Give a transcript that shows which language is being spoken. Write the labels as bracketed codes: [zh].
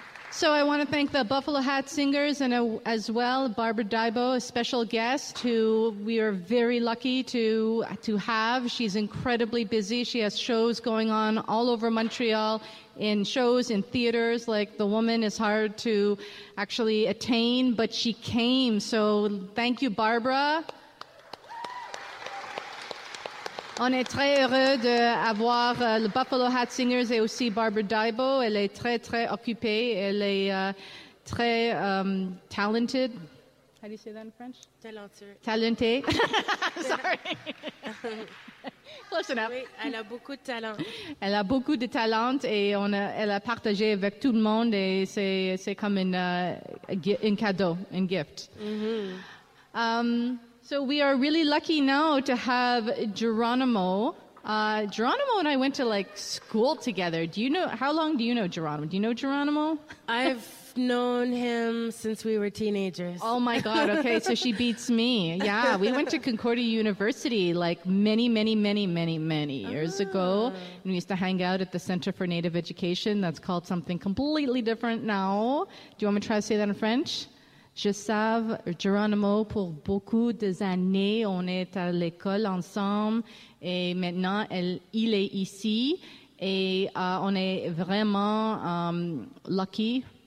[en] So I want to thank the Buffalo Hat Singers and as well Barbara Dibo, a special guest who we are very lucky to have. She's incredibly busy. She has shows going on all over Montreal, in shows, in theaters. Like, the woman is hard to actually attain, but she came. So thank you, Barbara. [fr] On est très heureux d'avoir le Buffalo Hat Singers et aussi Barbara Dibo. Elle est très, très occupée. Elle est très talented. [en] How do you say that in French? Talented. Talented. Sorry. Close enough. [fr] Oui, elle a beaucoup de talent. Elle a beaucoup de talent et elle a partagé avec tout le monde et c'est comme un cadeau, un gift. Mm-hmm. [en] So we are really lucky now to have Geronimo. Geronimo and I went to like school together. Do you know, how long do you know Geronimo? Do you know Geronimo? I've known him since we were teenagers. Oh my God, okay, so she beats me. Yeah, we went to Concordia University like many, many, many, many, many years ago. And we used to hang out at the Center for Native Education. That's called something completely different now. Do you want me to try to say that in French? [fr] Je savais Geronimo pour beaucoup d'années. On est à l'école ensemble et maintenant il est ici et on est vraiment lucky.